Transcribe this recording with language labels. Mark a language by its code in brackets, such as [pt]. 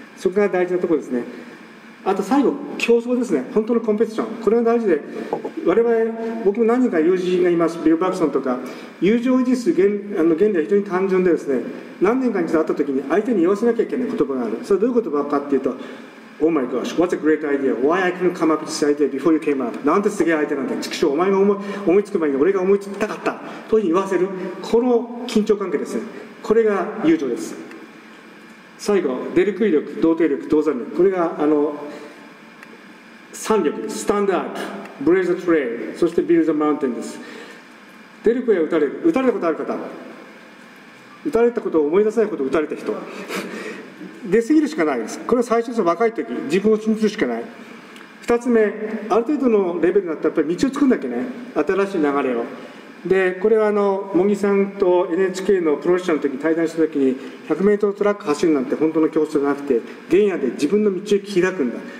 [ja] そこが大事なところですね。あと最後、競争ですね、本当のコンペティション、これが大事で、我々僕も何人か友人がいます、ビル・バクソンとか、友情を維持する 原理は非常に単純でですね、何年かに一度会った時に相手に言わせなきゃいけない言葉がある。 [en] それはどういう言葉かっていうと、Oh my gosh, what a great idea. Why I couldn't come up with this idea before you came up. [ja] なんてすげえ相手なんだ。畜生、お前が思いつく前に俺が思いつきたかった。というふうに言わせる。この緊張関係ですね。これが友情です。最後、出る杭力、同定力、同座力。これが三力です。 [en] Stand up, blaze the trail, [ja] そして [en] build the mountain [ja] です。出る杭は打たれる。打たれたことある方。打たれたことを思い出せないことを打たれた人。出過ぎるしかないです。これは最初の若い時、自分を信じるしかない。2つ目、ある程度のレベルになったらやっぱり道を作るんだっけね、新しい流れを。で、これは茂木さんと NHK のプロレッシャーの時に対談した時に、100メートルトラック走るなんて本当の競争じゃなくて、原野で自分の道を開くんだ。